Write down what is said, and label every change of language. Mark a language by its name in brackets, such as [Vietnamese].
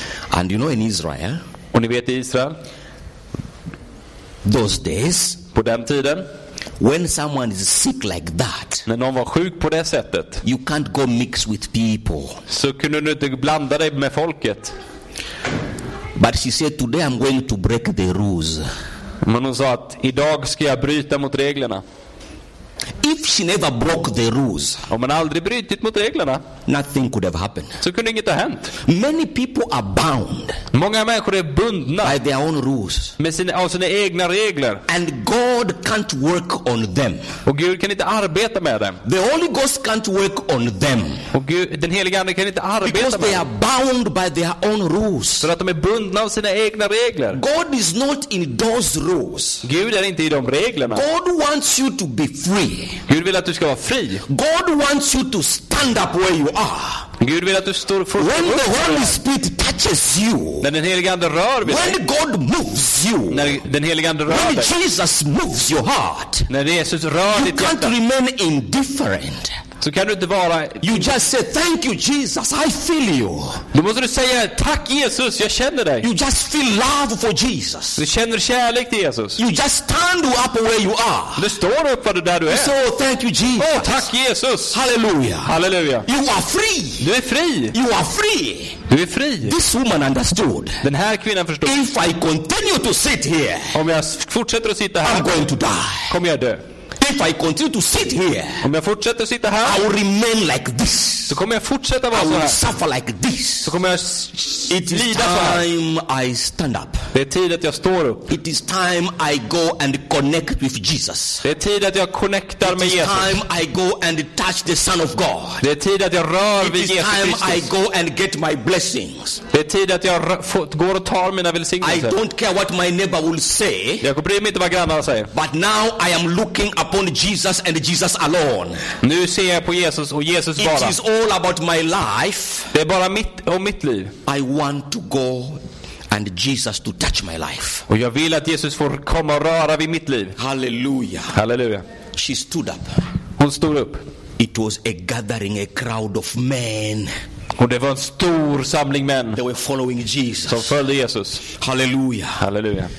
[English] And you know in Israel, [Swedish] och ni vet i Israel, [English] those days, [Swedish] på den tiden, [English] when someone is sick like that, [Swedish] när någon var sjuk på det sättet, [English] you can't go mix with people. [Swedish] Så kunde du inte blanda dig med folket. [English] But she said, today I'm going to break the rules. [Swedish] Men hon sa att idag ska jag bryta mot reglerna. [English] If she never broke the rules, [Swedish] om man aldrig brutit mot reglerna, [English] nothing could have happened. [Swedish] Så kunde inget ha hänt. [English] Many people are bound. [Swedish] Många människor är bundna [English] by their own rules. [Swedish] Med sina egna regler. [English] And God can't work on them. [Swedish] Och Gud kan inte arbeta med dem. [English] The Holy Ghost can't work on them. [Swedish] Och Gud, den helige ande kan inte arbeta med dem. [English] Because they are bound by their own rules. [Swedish] För att de är bundna av sina egna regler. [English] God is not in those rules. [Swedish] Gud är inte i de reglerna. [English] God wants you to be free. [Swedish] Gud vill att du ska vara fri. [English] God wants you to stand up where you are. [Swedish] Gud vill att du står för. [English] When the Holy Spirit touches you. [Swedish] När den helige ande rör vid [English] when [Swedish] dig. [English] When God moves you. [Swedish] När den helige ande rör [English] when [Swedish] dig. [English] When Jesus moves your heart. [Swedish] När Jesus rör [English] you [Swedish] ditt [English] hjärta. You can't remain indifferent. [Swedish] Så kan du inte vara. [English] You just say thank you Jesus, I feel you. [Swedish] Du måste säga tack Jesus, jag känner dig. [English] You just feel love for Jesus. [Swedish] Du känner kärlek till Jesus. [English] You just stand up where you are. [Swedish] Du står upp för det där du är. [English] So thank you Jesus. [Swedish] Oh, tack Jesus. Halleluja. Halleluja. [English] You are free. [Swedish] Du är fri. [English] You are free. [Swedish] Du är fri. [English] This woman understood. [Swedish] Den här kvinnan förstod. [English] If I continue to sit here. [Swedish] Om jag fortsätter att sitta här. [English] I'm going to die. [Swedish] Kommer jag dö. [English] If I continue to sit here, [Swedish] om jag fortsätter sitta här, [English] I will remain like this. [Swedish] Så kommer jag fortsätta vara [English] I will [Swedish] så här. [English] Suffer like this. [Swedish] Så kommer jag [English] it is [Swedish] lida [English] time [Swedish] så här. [English] I stand up. [Swedish] Det är tid att jag står upp. [English] It is time I go and connect with Jesus. [Swedish] Det är tid att jag connectar med Jesus. [English] It is time I go and touch the Son of God. [Swedish] Det är tid att jag rör vid Jesus. [English] It is time I go and get my blessings. [Swedish] Det är tid att jag går och tar mina välsignelser. [English] I don't care what my neighbor will say. [Swedish] Jag bryr mig inte vad grannarna säger. [English] But now I am looking upon Jesus and Jesus alone. [Swedish] Nu ser jag på Jesus och Jesus bara. [English] It is all about my life. [Swedish] Det är bara mitt och mitt liv. [English] I want to go and Jesus to touch my life. [Swedish] Och jag vill att Jesus får komma och röra vid mitt liv. Halleluja. Halleluja. [English] She stood up. [Swedish] Hon stod upp. [English] It was a gathering, a crowd of men. [Swedish] Och det var en stor samling män. [English] They were following Jesus. [Swedish] Som följde Jesus. Halleluja. Halleluja.